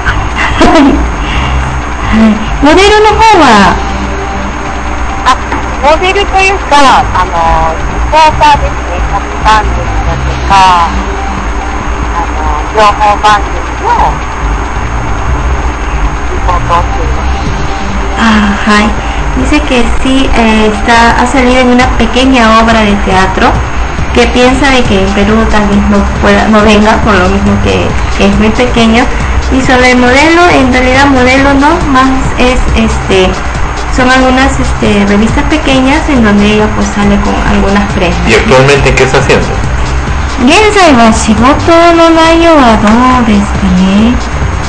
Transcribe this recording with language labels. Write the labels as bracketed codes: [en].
[ja] 。 はい、モデルの方は、あ、モデルというか、あのリポーターですね、カップ番組だとか、あの情報番組のリポートをしています。あ、はい。 [es] Dice que sí, está, ha salido en una pequeña obra de teatro, que piensa de que en Perú tal vez no, pueda, no venga, por lo mismo que es muy pequeño. Y sobre el modelo, en realidad modelo no, más es, son algunas revistas pequeñas en donde ella pues sale con algunas prendas. ¿Y actualmente qué está haciendo? [ja] 現在は仕事の内容はどうですかね。